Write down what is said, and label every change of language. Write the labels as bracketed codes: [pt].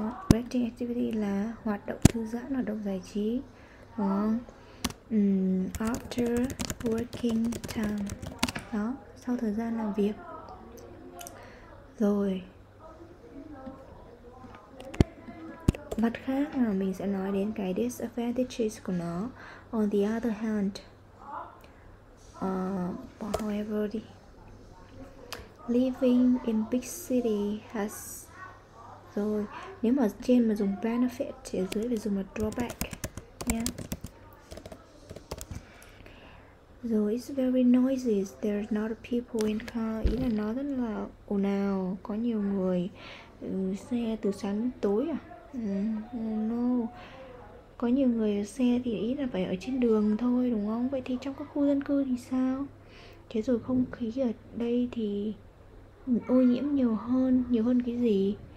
[vi] Relaxing activity là hoạt động thư giãn, hoạt động giải trí đúng không? [en] After working time, [vi] đó, sau thời gian làm việc. Rồi, mặt khác là mình sẽ nói đến cái disadvantages của nó. [en] On the other hand, however, the living in big city has. [vi] Rồi, nếu mà trên mà dùng benefit thì ở dưới phải dùng là drawback nhé. [en] Rồi, it's very noisy, there's not people in car. [vi] Ý là nó rất là ồn ào, có nhiều người, xe từ sáng đến tối à? No. Có nhiều người ở xe thì ý là phải ở trên đường thôi, đúng không? Vậy thì trong các khu dân cư thì sao? Thế rồi không khí ở đây thì ô nhiễm nhiều hơn cái gì?